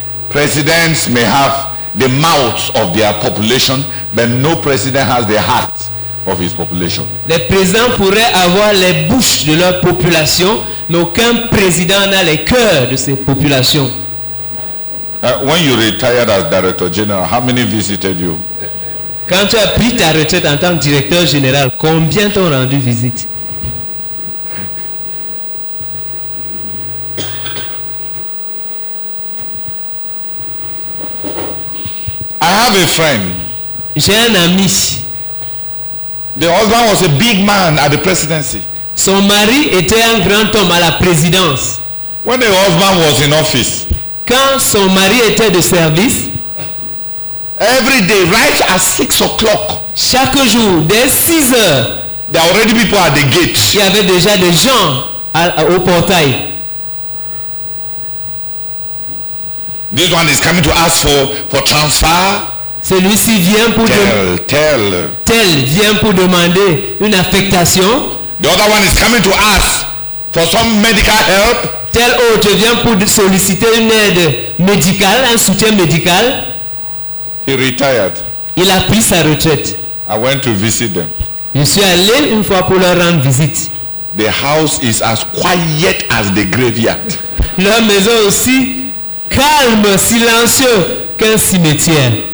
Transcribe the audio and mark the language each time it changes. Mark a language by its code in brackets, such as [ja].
[en] Presidents may have the mouth of their population, but no president has the heart of his population. [fr] Les présidents pourraient avoir les bouches de leur population, N'aucun président n'a les cœurs de ces populations. [en] When you retired as director general, how many visited you? [fr] Quand tu as pris ta retraite en tant que directeur général, combien t'ont rendu visite? [en] I have a friend. [fr] J'ai un ami. [en] The husband was a big man at the presidency. [fr] Son mari était un grand homme à la présidence. [en] When the husband was in office. [fr] Quand son mari était de service. [en] Every day, right at 6 o'clock. [fr] Chaque jour, dès 6 heures. [en] There are already people at the gate. [fr] Il y avait déjà des gens au portail. [en] This one is coming to ask for transfer. [fr] Celui-ci vient pour tel vient pour demander une affectation. [en] The other one is coming to ask for some medical help. [fr] Tel autre vient pour solliciter une aide médicale, un soutien médical. [en] He retired. [fr] Il a pris sa retraite. [en] I went to visit them. [fr] Je suis allé une fois pour leur rendre visite. [en] The house is as quiet as the graveyard. [fr] Leur maison aussi. Calme, silencieux qu'un cimetière.